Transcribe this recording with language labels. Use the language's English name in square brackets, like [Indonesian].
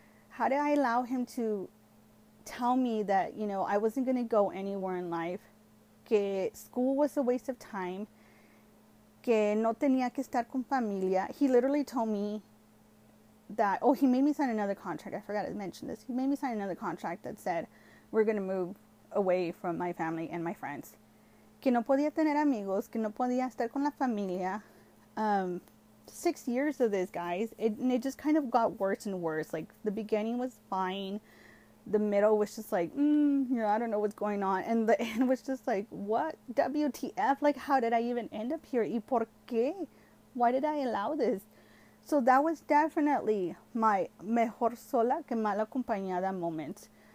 [English] How did I allow him to tell me that, I wasn't going to go anywhere in life, [Spanish] que [English] school was a waste of time, [Spanish] que no tenía que estar con familia? [English] He literally told me that, he made me sign another contract. I forgot to mention this. He made me sign another contract that said, we're going to move away from my family and my friends. [Spanish] Que no podía tener amigos, que no podía estar con la familia. [English] 6 years of this, guys. It just kind of got worse and worse. Like, the beginning was fine. The middle was just like, I don't know what's going on. And the end was just like, what? WTF? Like, how did I even end up here? [Spanish] ¿Y por qué? [English] Why did I allow this? So that was definitely my [Spanish] mejor sola que mal acompañada [English] moment.